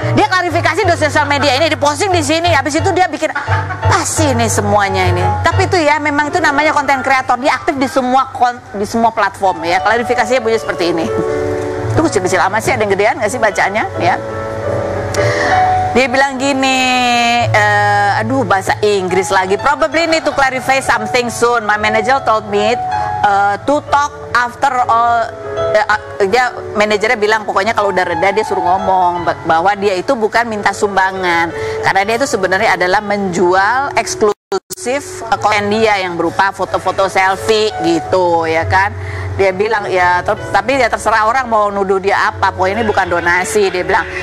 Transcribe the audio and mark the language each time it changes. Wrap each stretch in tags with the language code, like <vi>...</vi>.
<id>Dia klarifikasi di sosial media ini, diposting di sini, habis itu dia bikin pasti ini semuanya ini. Tapi itu ya memang itu namanya konten kreator, dia aktif di semua platform ya. Klarifikasinya bunyi seperti ini. Tuh kecil-kecil amat sih, ada yang gedean nggak sih bacaannya ya? Dia bilang gini, aduh bahasa Inggris lagi.</id> <en>Probably need to clarify something soon. My manager told me to talk after all.</en> <id>Dia manajernya bilang pokoknya kalau udah reda dia suruh ngomong bahwa dia itu bukan minta sumbangan, karena dia itu sebenarnya adalah menjual eksklusif konten dia yang berupa foto-foto selfie gitu ya kan. Dia bilang ya tapi ya terserah orang mau nuduh dia apa, pokoknya ini bukan donasi, dia bilang.</id>